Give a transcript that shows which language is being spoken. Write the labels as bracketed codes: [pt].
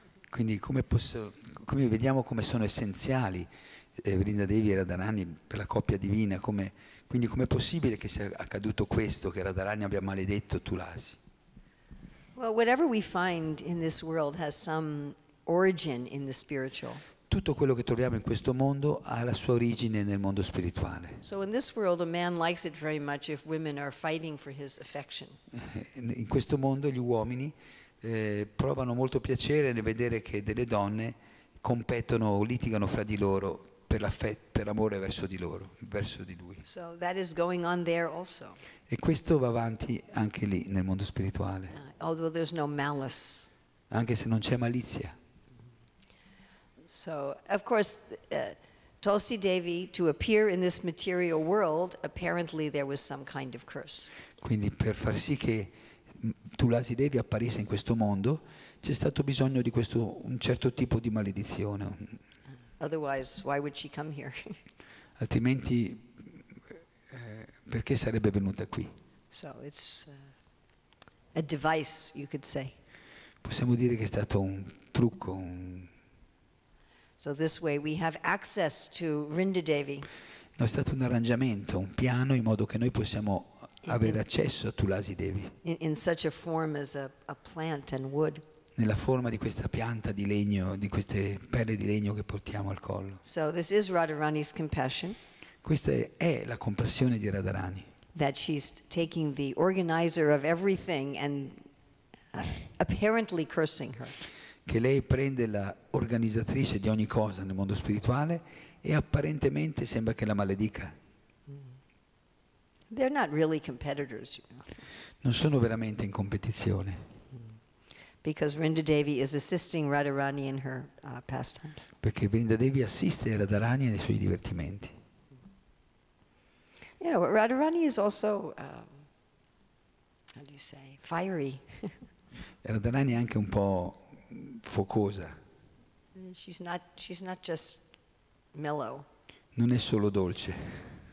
[it] Quindi come vediamo come sono essenziali Vrinda Devi e Radharani per la coppia divina, quindi com'è possibile che sia accaduto questo, che Radharani abbia maledetto Tulasi? [en] Well, whatever we find in this world has some origin in the spiritual. [it] Tutto quello che troviamo in questo mondo ha la sua origine nel mondo spirituale. [en] So in this world a man likes it very much if women are fighting for his affection. [it] In questo mondo gli uomini provano molto piacere nel vedere che delle donne competono o litigano fra di loro per amore verso di lui. [en] So that is going on there also. [it] E questo va avanti anche lì nel mondo spirituale. [en] Although there's no malice. [it] Anche se non c'è malizia. [en] So of course Tulsi Devi to appear in this material world, apparently there was some kind of curse. [it] Quindi per far sì che Tulasi Devi apparisse in questo mondo c'è stato bisogno di questo un certo tipo di maledizione. [en] Otherwise, why would she come here? [it] Altrimenti perché sarebbe venuta qui? [en] So it's a device, you could say. [it] Possiamo dire che è stato un trucco. [en] So this way we have access to Vrinda Devi. [it] No, è stato un arrangiamento, un piano in modo che noi possiamo avere accesso a Tulasi Devi. [en] In such a form as a plant and wood. [it] Nella forma di questa pianta di legno, di queste pelle di legno che portiamo al collo. [en] So this is Radharani's compassion. [it] Questa è la compassione di Radharani. [en] That she's taking the organizer of everything and apparently cursing her. [it] Che lei prende la organizzatrice di ogni cosa nel mondo spirituale e apparentemente sembra che la maledica. [en] They're not really competitors, you know. [it] Non sono veramente in competizione. [en] Because Vrinda Devi is assisting Radharani in her pastimes. [it] Perché Vrinda Devi assiste Radharani nei suoi divertimenti. [en] You know, Radharani is also how do you say, fiery. [it] Radharani è anche un po' focosa. [en] She's not just mellow. [it] Non è solo dolce.